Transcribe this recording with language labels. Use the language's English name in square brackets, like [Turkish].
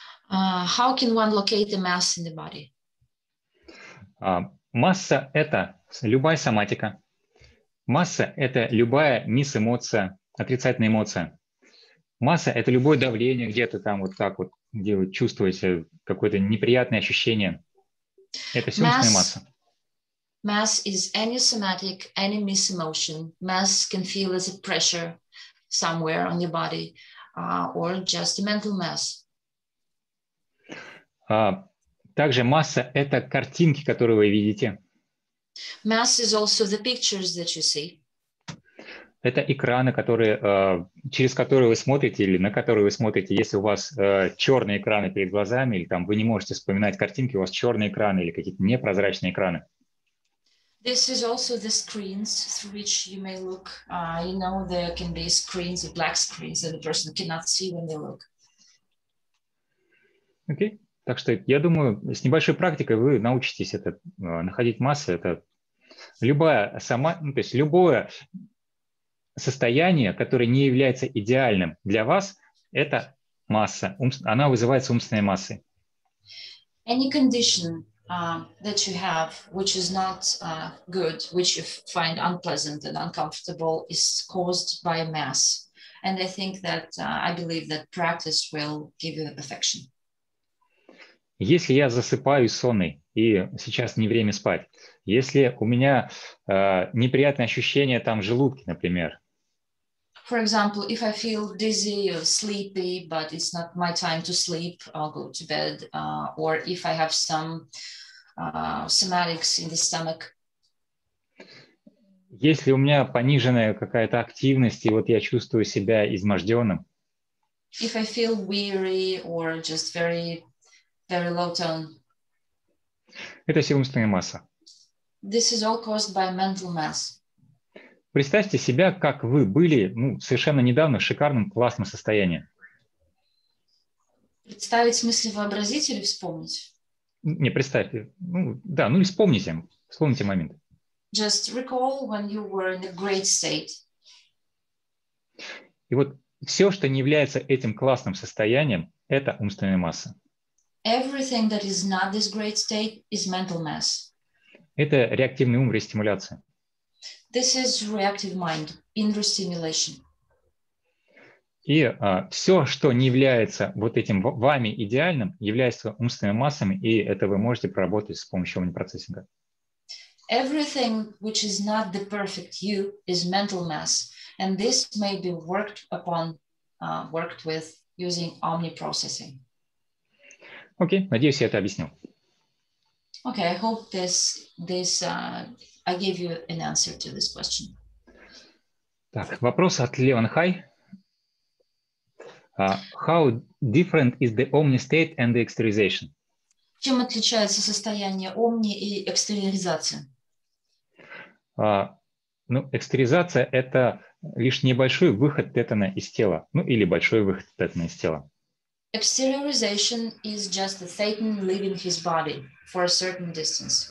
[English] How can one locate the mass in the body? [Russian] Масса – это любая соматика. Масса – это любая мисс-эмоция, отрицательная эмоция. Масса – это любое давление где-то там вот так вот, где вы чувствуете какое-то неприятное ощущение. Это все умственная масса. [English] Mass is any somatic, any mis-emotion. Mass can feel as a pressure somewhere on your body or just a mental mass. [Russian] Также масса – это картинки, которые вы видите. [English] Mass is also the pictures that you see. [Russian] Это экраны, которые, через которые вы смотрите или на которые вы смотрите. Если у вас черные экраны перед глазами, или там вы не можете вспоминать картинки, у вас черные экраны или какие-то непрозрачные экраны. [English] This is also the screens through which you may look. You know, there can be screens, black screens, that the person cannot see when they look. [Russian] Окей. Так что я думаю, с небольшой практикой вы научитесь это находить массы. Это любая сама, ну, то есть любое состояние, которое не является идеальным для вас, это масса. Она вызывается умственной массой. [English] Any condition that you have, which is not good, which you find unpleasant and uncomfortable, is caused by a mass. And I think that I believe that practice will give you the perfection. [Russian] Если я засыпаю сонный и сейчас не время спать, если у меня неприятные ощущения там в желудке, например. [English] For example, if I feel dizzy or sleepy, but it's not my time to sleep, I'll go to bed. Or if I have some somatics in the stomach. [Russian] Если у меня пониженная какая-то активность, и вот я чувствую себя изможденным. [English] If I feel weary or just very low tone. [Russian] Это все умственная масса. [English] This is all caused by mental mass. [Russian] Представьте себя, как вы были, ну, совершенно недавно в шикарном, классном состоянии. Представить мысли вообразить или вспомнить? Не, представьте. Ну, да, ну и вспомните. Вспомните момент. [English] Just recall when you were in a great state. [Russian] И вот все, что не является этим классным состоянием, это умственная масса. [English] Everything that is not this great state is mental mass. [Russian] Это реактивный ум в рестимуляции. [English] This is reactive mind in restimulation. [Russian] И все, что не является вот этим вами идеальным, является умственными массами, и это вы можете проработать с помощью унипроцессинга. [English] Everything which is not the perfect you is mental mass, and this may be worked upon, worked with using omniprocessing. [Russian] Окей, надеюсь, я это объяснил. [English] Okay, I hope this I gave you an answer to this question. [Russian] Так, вопрос от Леон Хай. [English] How different is the omni state and the exteriorization? [Russian] Чем отличается состояние омни и экстериоризация? Ну, экстериоризация – это лишь небольшой выход тетана из тела, ну или большой выход тетана из тела. [English] Exteriorization is just the thetan leaving his body for a certain distance.